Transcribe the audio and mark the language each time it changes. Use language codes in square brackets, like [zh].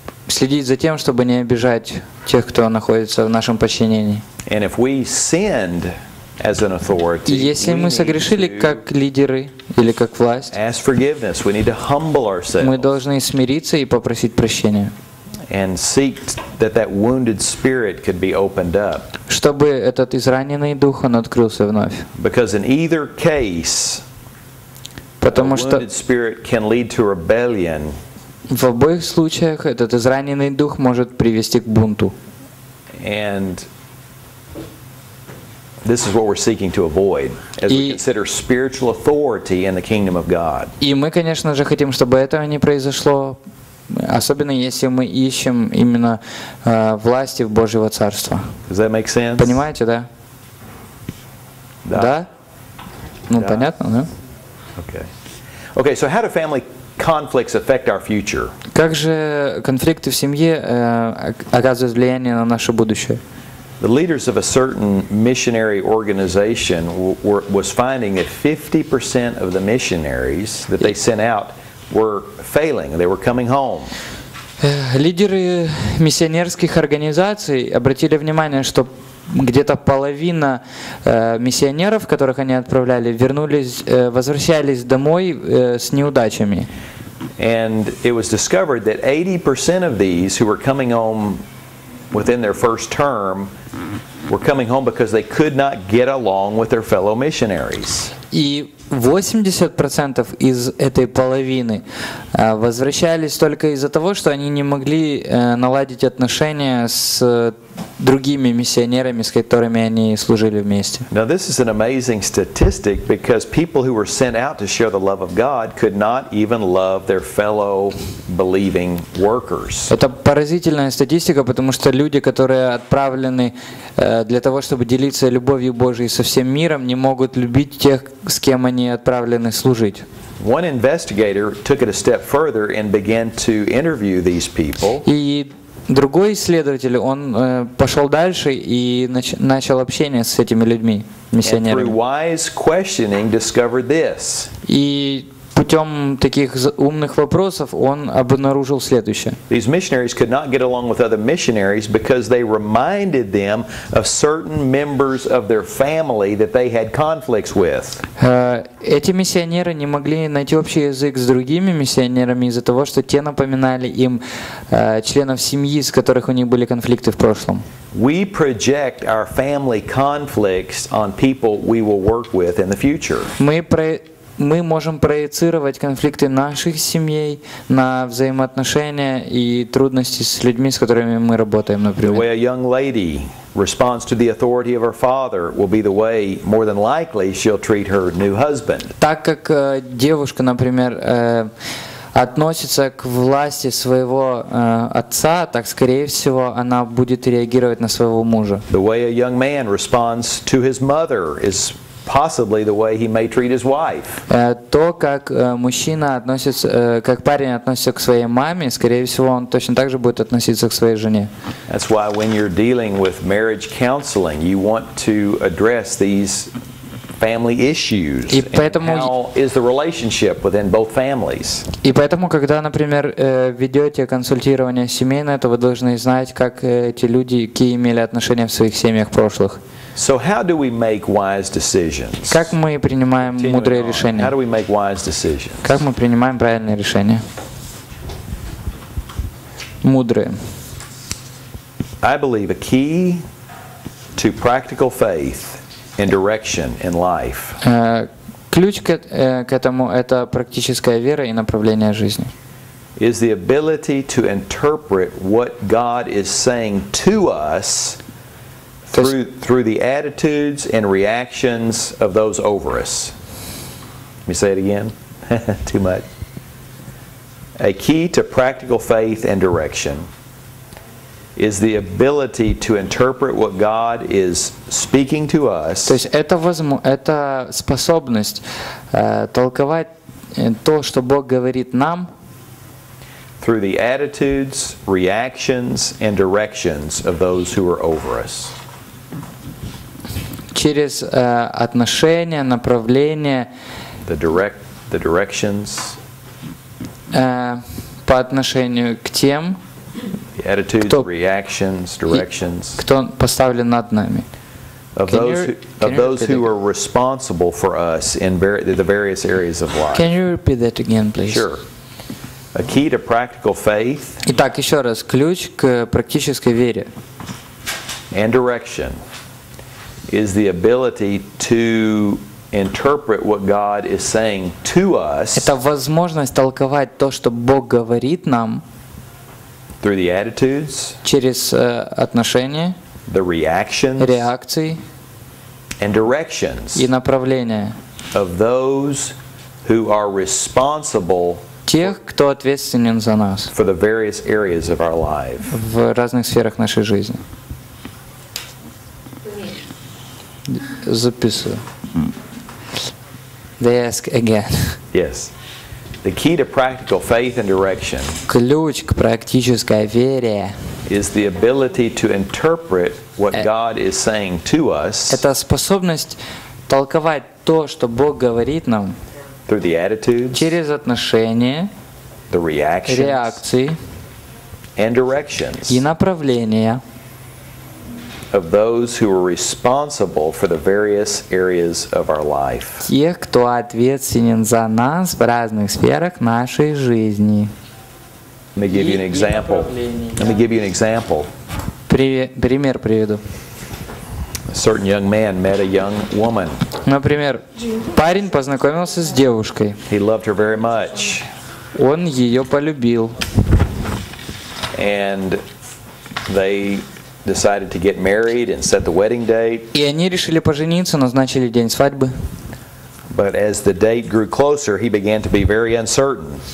[ru] следить за тем, чтобы не обижать тех, кто находится в нашем подчинении. И если мы согрешили как лидеры или как власть, мы должны смириться и попросить прощения. [en] And seek that that wounded spirit could be opened up. [ru] Чтобы этот израненный дух он открылся вновь. [en] Because in either case, [ru] потому что [en] a wounded spirit can lead to rebellion. [ru] В обоих случаях этот израненный дух может привести к бунту. [en] And this is what we're seeking to avoid as we consider spiritual authority in the kingdom of God. [ru] И мы, конечно же, хотим, чтобы этого не произошло. Особенно если мы ищем именно власти в Божьего Царства. [en] Does that make sense? [ru] Понимаете, да? Да? Да? Ну, да. Понятно, да? [en] Okay. Okay, so how do family conflicts affect our future? [ru] Как же конфликты в семье оказывают влияние на наше будущее? [en] The leaders of a certain missionary organization was finding that 50% of the missionaries that they sent out were failing. They were coming home. [ru] Лидеры миссионерских организаций обратили внимание, что где-то половина миссионеров, которых они отправляли, возвращались домой с неудачами. [en] And it was discovered that 80% of these who were coming home within their first term were coming home because they could not get along with their fellow missionaries. [ru] И 80% из этой половины возвращались только из-за того, что они не могли наладить отношения с другими миссионерами, с которыми они служили вместе. [en] Now this is an amazing statistic because people who were sent out to share the love of God could not even love their fellow believing workers. [ru] Это поразительная статистика, потому что люди, которые отправлены для того, чтобы делиться любовью Божией со всем миром, не могут любить тех, с кем они отправлены служить. [en] One investigator took it a step further and began to interview these people. [ru] И другой исследователь, он пошел дальше и начал общение с этими людьми, миссионерами. [en] And through wise questioning discovered this. [ru] И путем таких умных вопросов он обнаружил следующее. [en] These missionaries could not get along with other missionaries because they reminded them of certain members of their family that they had conflicts with. [ru] Эти миссионеры не могли найти общий язык с другими миссионерами из-за того, что те напоминали им членов семьи, с которых у них были конфликты в прошлом. [en] We project our family conflicts on people we will work with in the future. [ru] Мы можем проецировать конфликты наших семей на взаимоотношения и трудности с людьми, с которыми мы работаем, например. [en] The way a young lady responds to the authority of her father will be the way, more than likely, she'll treat her new husband. [ru] Так как девушка, например, относится к власти своего отца, так, скорее всего, она будет реагировать на своего мужа. [en] The way a young man responds to his mother is possibly the way he may treat his wife. [ru] То, как мужчина относится, как парень относится к своей маме, скорее всего, он точно так же будет относиться к своей жене. [en] That's why when you're dealing with marriage counseling, you want to address these family issues. [ru] И поэтому, [en] and how is the relationship within both families? [ru] И поэтому, когда, например, ведете консультирование семейное, то вы должны знать, как эти люди, какие имели отношения в своих семьях прошлых. [en] So how do we make wise decisions? [ru] Как мы принимаем мудрые решения? [en] How do we make wise decisions? [ru] Как мы принимаем правильные решения? Мудрые. [en] I believe a key to practical faith and direction in life. [ru] Ключ к этому – это практическая вера и направление жизни. [en] Is the ability to interpret what God is saying to us through the attitudes and reactions of those over us. Let me say it again. Too much. A key to practical faith and direction is the ability to interpret what God is speaking to us. [ru] То есть это способность толковать то, что Бог говорит нам. [en] Through the attitudes, reactions, and directions of those who are over us. [ru] Через отношения, направления, [en] the directions, [ru] по отношению к тем, [en] attitudes, reactions, directions. [ru] Кто поставлен над нами? [en] Of those who are responsible for us in the various areas of life. Can you repeat that again, please? Sure. A key to practical faith. [ru] Итак, еще раз, ключ к практической вере. [en] And direction is the ability to interpret what God is saying to us. [ru] Это возможность толковать то, что Бог говорит нам. [en] Through the attitudes. [ru] Через отношения. [en] The reactions. [ru] Реакции. [en] And directions. [ru] И направления. [en] Of those who are responsible. [ru] Тех, кто ответственен за нас. [en] For the various areas of our life. [ru] В разных сферах нашей жизни. Записываю. [en] They ask again. Yes. The key to practical faith and direction. [ru] Ключ к практической вере. [en] Is the ability to interpret what God is saying to us. [ru] Это способность толковать то, что Бог говорит нам. [en] Through the attitudes. [ru] Через отношения. [en] The reactions. [ru] Реакции. [en] And directions. [ru] И направления. [en] Of those who are responsible for the various areas of our life. [ru] Тех, кто ответственен за нас в разных сферах нашей жизни. [en] Let me give you an example. Let me give you an example. [ru] Пример приведу. [en] A certain young man met a young woman. [ru] Например, парень познакомился с девушкой. [en] He loved her very much. [ru] Он ее полюбил. [en] And they decided to get married and set the wedding date. [ru] И они решили пожениться, назначили день свадьбы. [en] But as the date grew closer, he began to be very uncertain.